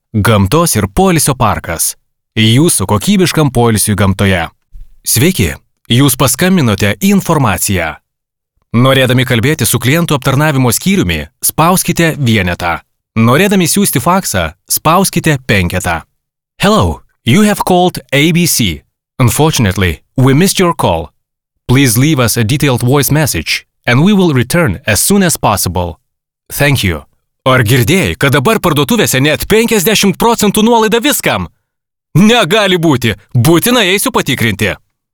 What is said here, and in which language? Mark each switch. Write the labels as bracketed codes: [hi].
[lt] Gamtos ir poilsio parkas. Jūsų kokybiškam poilsiui gamtoje. Sveiki, jūs paskambinote informaciją. Norėdami kalbėti su klientų aptarnavimo skyriumi, spauskite vienetą. Norėdami siųsti faksą, spauskite penketą. [en] Hello, you have called ABC. Unfortunately, we missed your call. Please leave us a detailed voice message and we will return as soon as possible. Thank you. [lt] Ar girdėjai, kad dabar parduotuvėse net 50% nuolaida viskam? Negali būti. Būtinai eisiu patikrinti.